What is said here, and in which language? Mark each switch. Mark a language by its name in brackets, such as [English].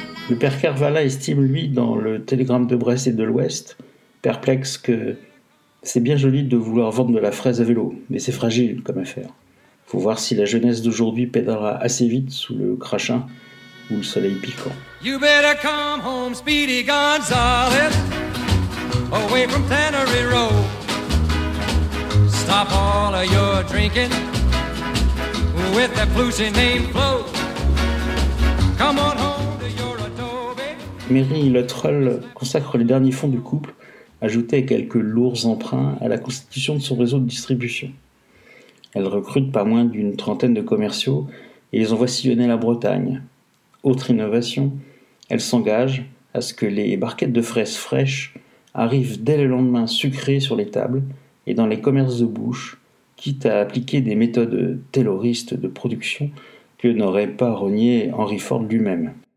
[French] Le père Kervala estime, lui, dans le télégramme de Brest et de l'Ouest, perplexe que c'est bien joli de vouloir vendre de la fraise à vélo, mais c'est fragile comme affaire. Faut voir si la jeunesse d'aujourd'hui pédalera assez vite sous le crachin ou le soleil piquant. [English] You better come home, Speedy Gonzales, away from Tannery Row. Stop all of your drinking with that flusy name Flo. Come on home to your adobe. [French] Mary Lotrel consacre les derniers fonds du couple, ajoutés à quelques lourds emprunts, à la constitution de son réseau de distribution. Elle recrute pas moins d'une trentaine de commerciaux et les envoie sillonner la Bretagne. Autre innovation, elle s'engage à ce que les barquettes de fraises fraîches arrivent dès le lendemain sucrées sur les tables et dans les commerces de bouche, quitte à appliquer des méthodes tayloristes de production que n'aurait pas renié Henry Ford lui-même.